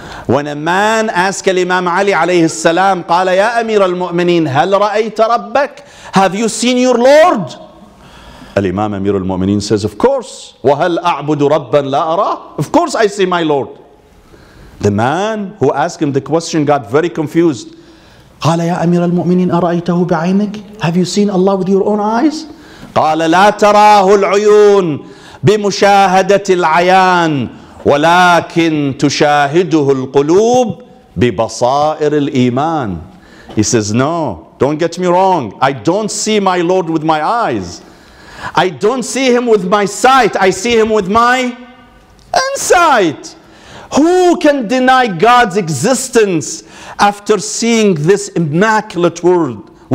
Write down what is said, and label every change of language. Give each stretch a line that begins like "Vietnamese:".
English: When a man asked Imam Ali alayhi salam,
Arabic: قَالَ يَا أَمِيرَ الْمُؤْمِنِينَ هَلْ رَأَيْتَ رَبَّكَ
English: Have you seen your Lord? Al-Imam Amir al-Mu'mineen says, of course.
Arabic: وَهَلْ أَعْبُدُ رَبًّا لَا أَرَى
English: Of course I see my Lord. The man who asked him the question got very confused.
Arabic: قَالَ يَا أَمِيرَ الْمُؤْمِنِينَ أَرَأَيْتَهُ بِعَيْنِكَ
English: Have you seen Allah with your own eyes?
Arabic: قَالَ لَا تَرَاهُ الْعُيُونَ بِمُشَاهَدَةِ الْعَيَانِ وَلَكِنْ تُشَاهِدُهُ الْقُلُوبِ بِبَصَائِرِ الْإِيمَانِ
English: He says, no, don't get me wrong. I don't see my Lord with my eyes. I don't see him with my sight. I see him with my insight. Who can deny God's existence after seeing this immaculate world?